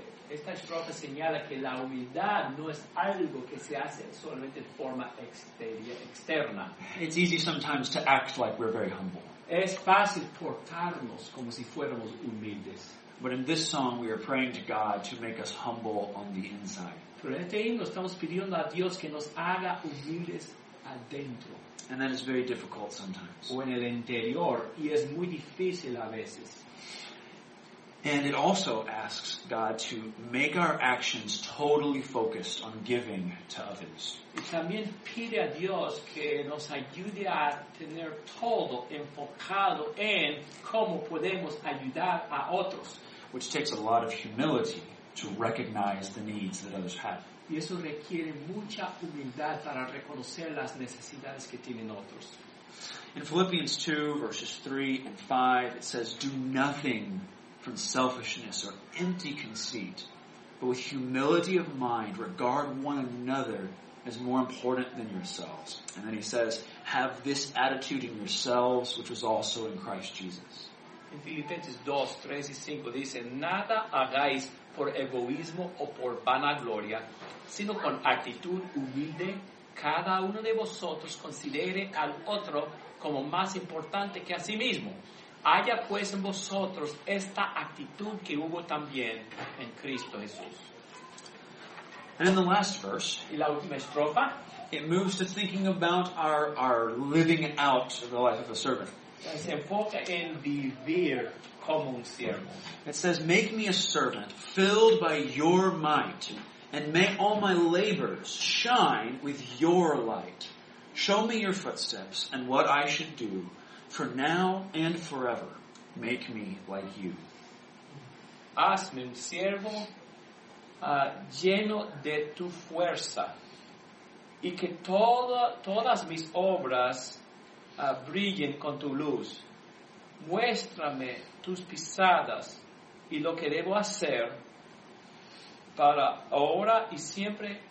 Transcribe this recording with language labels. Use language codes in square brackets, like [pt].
[es] Esta estrofa señala que la humildad no es algo que se hace solamente de forma externa. [en] It's easy sometimes to act like we're very humble. [es] Es fácil portarnos como si fuéramos humildes. [en] But in this song we are praying to God to make us humble on the inside. [es] Pero en este himno estamos pidiendo a Dios que nos haga humildes adentro. [en] And that is very difficult sometimes. [es] O en el interior, y es muy difícil a veces. [en] And it also asks God to make our actions totally focused on giving to others. [es] Y también pide a Dios que nos ayude a tener todo enfocado en cómo podemos ayudar a otros. [en] Which takes a lot of humility to recognize the needs that others have. [es] Y eso requiere mucha humildad para reconocer las necesidades que tienen otros. [en] In Philippians 2, verses 3 and 5, it says, do nothing from selfishness or empty conceit, but with humility of mind, regard one another as more important than yourselves. And then he says, have this attitude in yourselves, which was also in Christ Jesus. [es] In Filipenses 2, 3 y 5, dice, nada hagáis por egoísmo o por vanagloria, sino con actitud humilde, cada uno de vosotros considere al otro como más importante que a sí mismo. Haya pues en vosotros esta actitud que hubo también en Cristo Jesús. [en] And in the last verse, [es] y la última estrofa, [en] it moves to thinking about our living out the life of a servant. [es] Se enfoca en vivir como un siervo. [en] It says, make me a servant filled by your might, and make all my labors shine with your light. Show me your footsteps and what I should do. For now and forever, make me like you. [es] Hazme un siervo lleno de tu fuerza, y que todas mis obras brillen con tu luz. Muéstrame tus pisadas y lo que debo hacer para ahora y siempre.